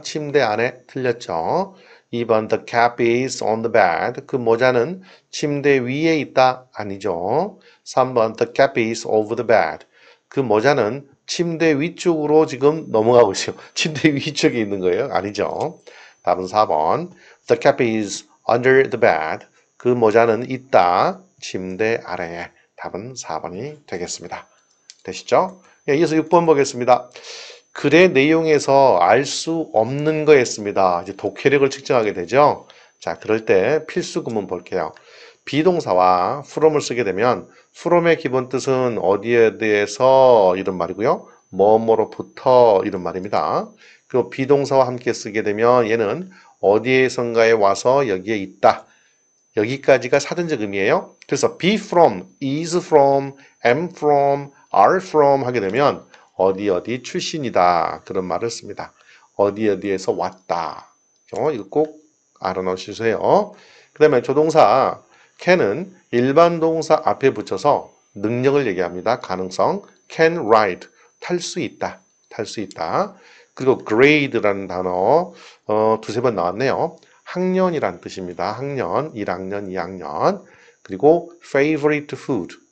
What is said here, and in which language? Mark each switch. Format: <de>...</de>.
<ko>침대 안에 틀렸죠. 2번,</ko> <en>the cap is on the bed.</en> <ko>그 모자는 침대 위에 있다. 아니죠. 3번,</ko> <en>the cap is over the bed.</en> <ko>그 모자는 침대 위쪽으로 지금 넘어가고 있어요. 침대 위쪽에 있는 거예요. 아니죠. 답은 4번,</ko> <en>the cap is under the bed.</en> <ko>그 모자는 있다. 침대 아래에. 답은 4번이 되겠습니다. 되시죠? 이어서 6번 보겠습니다. 글의 내용에서 알수 없는 거 했습니다. 이제 독해력을 측정하게 되죠. 자, 그럴 때 필수 구문 볼게요. 비동사와 from을 쓰게 되면 from의 기본 뜻은 어디에 대해서 이런 말이고요. 뭐뭐로부터 이런 말입니다. 그리고 비동사와 함께 쓰게 되면 얘는 어디에선가에 와서 여기에 있다. 여기까지가 사전적 의미예요. 그래서 be from, is from, am from, are from 하게 되면 어디 어디 출신이다. 그런 말을 씁니다. 어디 어디에서 왔다. 이거 꼭 알아놓으세요. 그 다음에 조동사 can은 일반 동사 앞에 붙여서 능력을 얘기합니다. 가능성. can ride. 탈수 있다. 탈수 있다. 그리고 grade라는 단어, 두세 번 나왔네요. 학년이란 뜻입니다. 학년, 1학년, 2학년. 그리고 favorite food.</ko>